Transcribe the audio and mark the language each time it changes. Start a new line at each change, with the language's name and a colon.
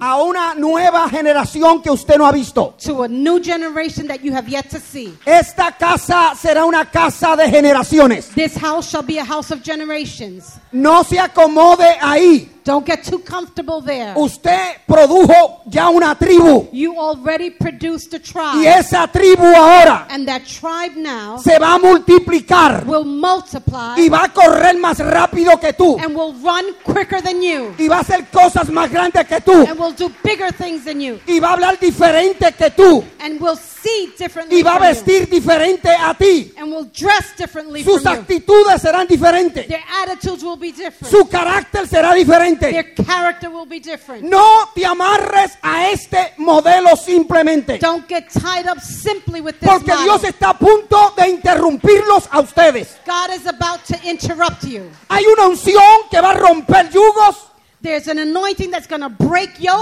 Spanish: A una nueva generación que usted no ha visto.
English: To a new generation that you have yet to see.
Spanish: Esta casa será una casa de generaciones.
English: This house shall be a house of generations.
Spanish: No se acomode ahí.
English: Don't get too comfortable there.
Spanish: Usted produjo ya una tribu.
English: You already produced a tribe.
Spanish: Y esa tribu ahora.
English: And that tribe now.
Spanish: Se va a multiplicar.
English: Will multiply.
Spanish: Y va a correr más rápido que tú.
English: And will run quicker than you.
Spanish: Y va a hacer cosas más grandes que tú.
English: And will do bigger things than you.
Spanish: Y va a hablar diferente que tú.
English: And will see differently.
Spanish: Y va a vestir diferente a ti.
English: And will dress differently.
Spanish: Sus actitudes serán diferentes.
English: Their attitudes will be different.
Spanish: Su carácter será diferente.
English: Their character will be different.
Spanish: No te amarres a este modelo simplemente.
English: Don't get tied up simply with this.
Spanish: Porque Dios está a punto de interrumpirlos a ustedes.
English: God is about to interrupt you.
Spanish: Hay una unción que va a romper yugos.
English: There's an anointing that's going to break yokes.